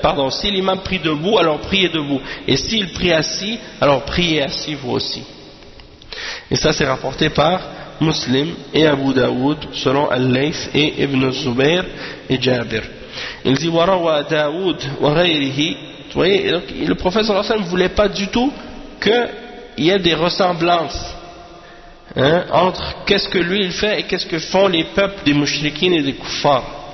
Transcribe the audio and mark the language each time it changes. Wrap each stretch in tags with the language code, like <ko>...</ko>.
<fr>Si l'imam prie debout, alors priez debout. Et s'il prie assis, alors priez assis vous aussi. Et ça c'est rapporté par Muslim et Abu Daoud selon Al-Layth et Ibn Zubayr et Jabir. Il dit</fr> <ar>وروى داود وغيره.</ar> <fr>Vous voyez, donc, le prophète sallallahu alayhi ne voulait pas du tout qu'il y ait des ressemblances hein, entre qu'est-ce que lui il fait et qu'est-ce que font les peuples des mushrikines et des kuffars.</fr>